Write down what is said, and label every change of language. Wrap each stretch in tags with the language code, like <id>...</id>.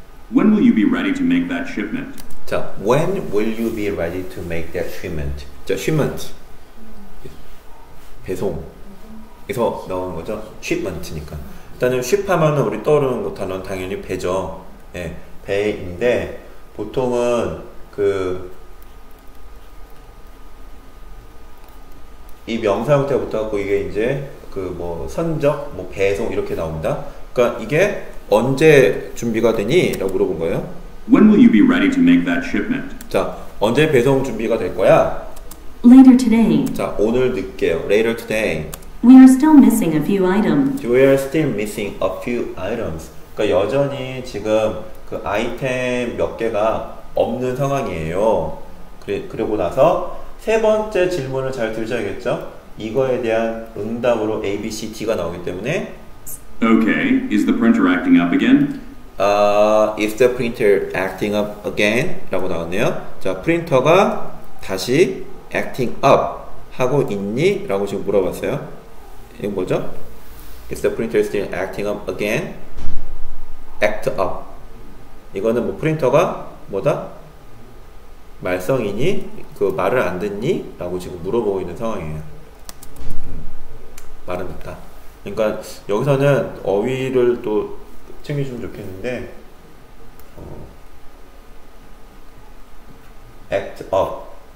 <en>When will you be ready to make that shipment? 자, when will you be ready to make that shipment?</en> <ko>자, shipment 배송에서 나온 거죠. shipment니까 일단은 ship 하면은 우리 떠오르는 것 단어는 당연히 배죠. 예, 배인데 보통은 그이 명사 형태부터 갖고 이게 이제 그뭐 선적 뭐 배송 이렇게 나옵니다. 그러니까 이게 언제 준비가 되니? 라고 물어본 거예요.</ko> <en>When will you be ready to make that shipment?</en> <ko>자, 언제 배송 준비가 될 거야?</ko> <en>Later today.</en> <ko>자, 오늘 늦게요.</ko> <en>Later today. We are still missing a few items. We are still missing a few items.</en> <ko>그러니까 여전히 지금 그 아이템 몇 개가 없는 상황이에요. 그러고 나서 세 번째 질문을 잘 들으셔야겠죠? 이거에 대한 응답으로 A, B, C, D가 나오기 때문에</ko> <en>Okay, is the printer acting up again? Is the printer acting up again?</en> <ko>라고 나왔네요. 자, 프린터가 다시 acting up 하고 있니? 라고 지금 물어봤어요. 이게 뭐죠?</ko> <en>Is the printer still acting up again? Act up.</en> <ko>이거는 뭐 프린터가 뭐다? 말썽이니? 그 말을 안 듣니? 라고 지금 물어보고 있는 상황이에요. 말은 없다. 그러니까 여기서는 어휘를 또 챙겨주면 좋겠는데 act up.</ko>